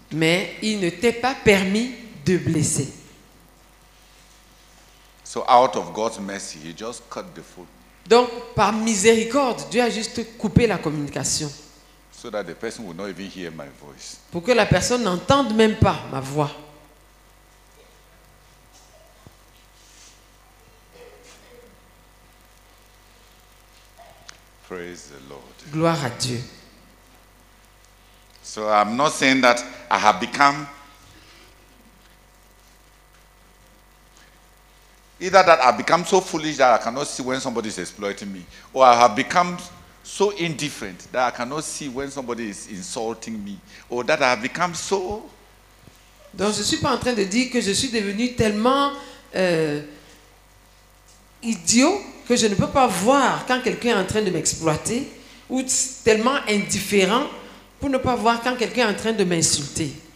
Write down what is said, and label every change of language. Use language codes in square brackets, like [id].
[fr] Mais il ne t'est pas permis de blesser. [en] So out of God's mercy, he just cut the phone. [fr] Donc par miséricorde, Dieu a juste coupé la communication. [en] So that the person will not even hear my voice. [fr] Pour que la personne n'entende même pas ma voix. [en] Praise the Lord. [fr] Gloire à Dieu. [en] So I'm not saying that I have become either that I've become so foolish that I cannot see when somebody is exploiting me, or I have become so indifferent that I cannot see when somebody is insulting me, or that I have become so. [fr] Donc je suis pas en train de dire que je suis devenu tellement idiot que je ne peux pas voir quand quelqu'un est en train de m'exploiter, ou tellement indifférent pour ne pas voir quand quelqu'un est en train de m'insulter.